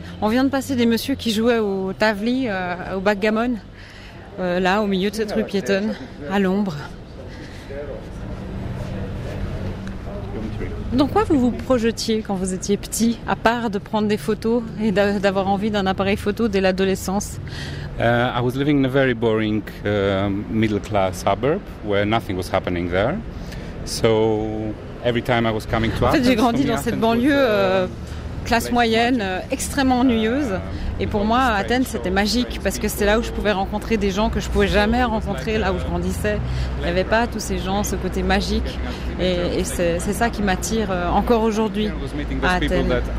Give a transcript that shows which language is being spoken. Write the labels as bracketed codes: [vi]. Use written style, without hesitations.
[fr] On vient de passer des messieurs qui jouaient au tavli, au backgammon, là au milieu de cette rue piétonne, à l'ombre. Dans quoi vous vous projetiez quand vous étiez petit, à part de prendre des photos et d'avoir envie d'un appareil photo dès l'adolescence? [en] I was living in a very boring middle-class suburb where nothing was happening there. So every time I was coming to Athens, [fr] j'ai grandi dans cette banlieue classe moyenne, extrêmement ennuyeuse. Et pour moi, Athènes, c'était magique parce que c'était là où je pouvais rencontrer des gens que je ne pouvais jamais rencontrer là où je grandissais. Il n'y avait pas tous ces gens, ce côté magique. Et c'est ça qui m'attire encore aujourd'hui à Athènes.